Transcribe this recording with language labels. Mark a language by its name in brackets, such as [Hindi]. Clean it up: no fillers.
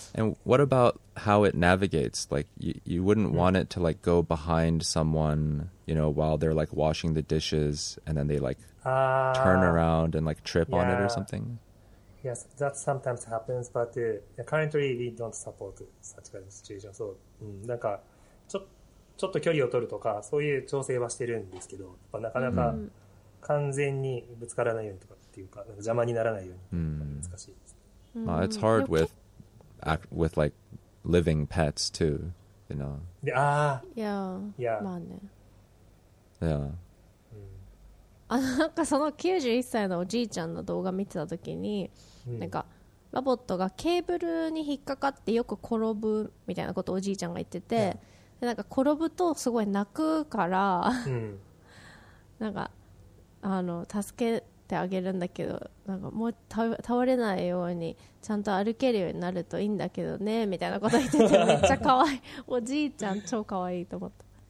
[English] And what about how it navigates? Like you wouldn't want it to like go behind someone, you know, while they're like washing the dishes, and then they like turn around and like trip on it or something. Yes, that sometimes happens, but currently we don't support such kind of situation. [Japanese] So, なんかちょっと距離を取るとかそういう調整はしてるんですけど、なかなか、mm-hmm. 完全にぶつからないようにとかっていうか、なんか邪魔にならないように、mm-hmm. 難しいです。 Mm-hmm. [English] It's hard with like living pets too, you know. Ah, yeah, yeah, [Japanese] まあね。 Yeah. あのなんかその91歳のおじいちゃんの動画見てた時に、なんかロボットがケーブルに引っかかってよく転ぶみたいなことをおじいちゃんが言ってて、でなんか転ぶとすごい泣くからなんかあの助けてあげるんだけど、なんかもう倒れないようにちゃんと歩けるようになるといいんだけどねみたいなこと言ってて、めっちゃかわいいおじいちゃん、超かわいいと思った。